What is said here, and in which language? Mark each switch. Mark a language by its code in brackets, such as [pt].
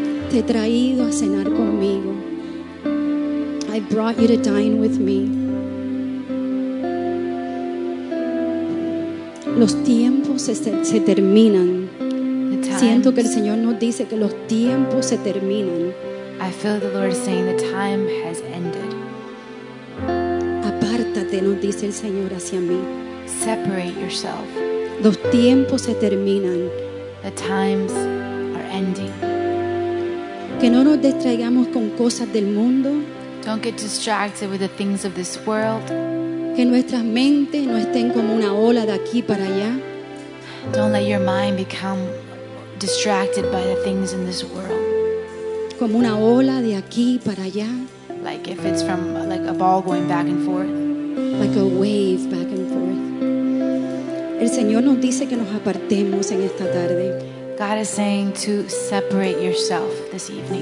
[es] Te he traído a cenar conmigo. [en] I brought you to dine with me. [es] Los tiempos se terminan. Siento que el Señor nos dice que los tiempos se terminan. [en] I feel the Lord saying the time has ended. [es] Apártate, nos dice el Señor hacia mí. [en] Separate yourself. [es] Los tiempos se terminan. [en] The times are ending. [es] Que no nos distraigamos con cosas del mundo. [en] Don't get distracted with the things of this world. [es] Que nuestras mentes no estén como una ola de aquí para allá. [en] Don't let your mind become distracted by the things in this world. [es] Como una ola de aquí para allá. [en] Like if it's from like a ball going back and forth. Like a wave back and forth. [es] El Señor nos dice que nos apartemos en esta tarde. [en] God is saying to separate yourself this evening.